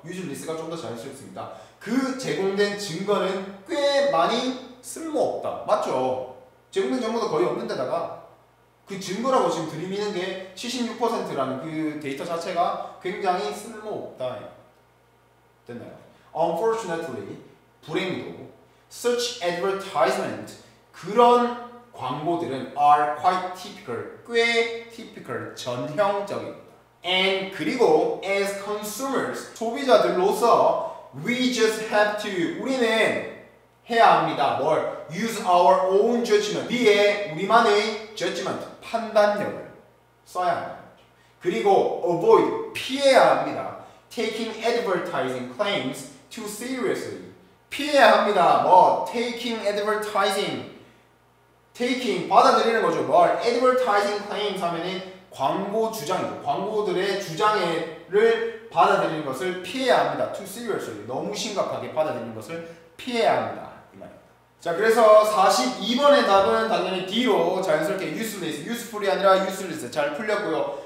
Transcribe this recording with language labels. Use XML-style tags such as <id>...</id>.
<ko>useless가 좀 더 잘 쓸 수 있습니다. 그 제공된 증거는 꽤 많이 쓸모없다. 맞죠? 제공된 정보도 거의 없는데다가 그 증거라고 지금 들이미는 게 76%라는 그 데이터 자체가 굉장히 쓸모없다. 됐나요?</ko> <en>Unfortunately,</en> <ko>불행도</ko> <en>such advertisement</en> <ko>그런 광고들은</ko> <en>are quite typical,</en> <ko>꽤</ko> <en>typical,</en> <ko>전형적입니다.</ko> <en>And</en> <ko>그리고</ko> <en>as consumers,</en> <ko>소비자들로서</ko> <en>we just have to,</en> <ko>우리는 해야 합니다. 뭘?</ko> <en>Use our own judgment,</en> <ko>우리만의</ko> <en>judgment,</en> <ko>판단력을 써야 합니다. 그리고</ko> <en>avoid,</en> <ko>피해야 합니다.</ko> <en>Taking advertising claims too seriously.</en> <ko>피해야 합니다. 뭐</ko> <en>taking advertising. Taking</en> <ko>받아들이는 거죠. 뭘</ko> <en>advertising claims</en> <ko>하면은 광고 주장이죠. 광고들의 주장을 받아들이는 것을 피해야 합니다.</ko> <en>Too seriously.</en> <ko>너무 심각하게 받아들이는 것을 피해야 합니다. 이 말입니다. 자 그래서 42번의 답은 당연히 D로 자연스럽게 useless, useful이 아니라 useless 잘 풀렸고요.</ko>